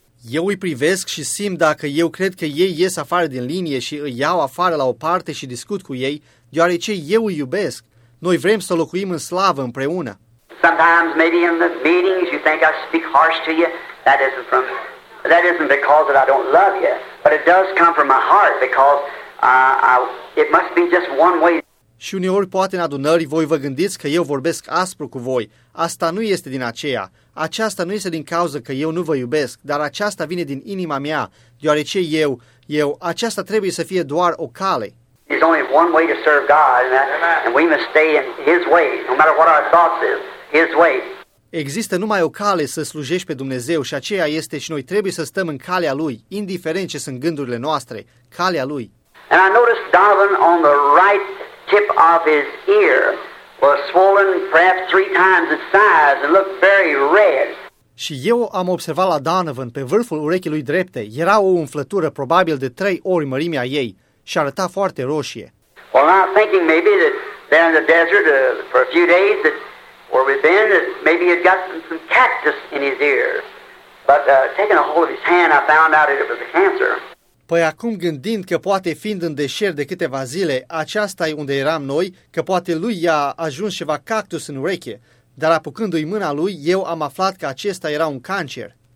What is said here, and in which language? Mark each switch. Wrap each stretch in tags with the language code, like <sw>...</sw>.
<ro>Eu îi privesc și simt dacă eu cred că ei ies afară din linie și îi iau afară la o parte și discut cu ei, deoarece eu îi iubesc. Noi vrem să locuim în slavă împreună.</ro> <en>Sometimes maybe in the meetings you think I speak harsh to you. That isn't because that I don't love you, but it does come from my heart because it must be just one way.</en> <ro>Și uneori poate în adunări voi vă gândiți că eu vorbesc aspru cu voi. Asta nu este din aceea. Aceasta nu este din cauza că eu nu vă iubesc, dar aceasta vine din inima mea, deoarece eu, aceasta trebuie să fie doar o cale.</ro> <en>There's only one way to serve God, and we must stay in His way, no matter what our thoughts is, His way.</en> <ro>Există numai o cale să slujești pe Dumnezeu și aceea este și noi trebuie să stăm în calea Lui, indiferent ce sunt gândurile noastre, calea Lui.</ro> <en>And I noticed Donovan on the right tip of his ear was swollen perhaps 3 times its size and looked very red.</en> <ro>Și eu am observat la Donovan pe vârful urechii lui drepte, era o umflătură probabil de 3 ori mărimea ei și arăta foarte roșie.</ro> <en>Well, now thinking maybe that there in the desert for a few days that where we've been, maybe he'd gotten some cactus in his ear. But taking a hold of his hand, I found out it was a cancer.</en> <ro>Păi acum gândind că poate fiind în deșert de câteva zile, aceasta-i unde eram noi, că poate lui i-a ajuns ceva cactus în ureche, dar apucându-i mâna lui, eu am aflat că acesta era un cancer.</ro>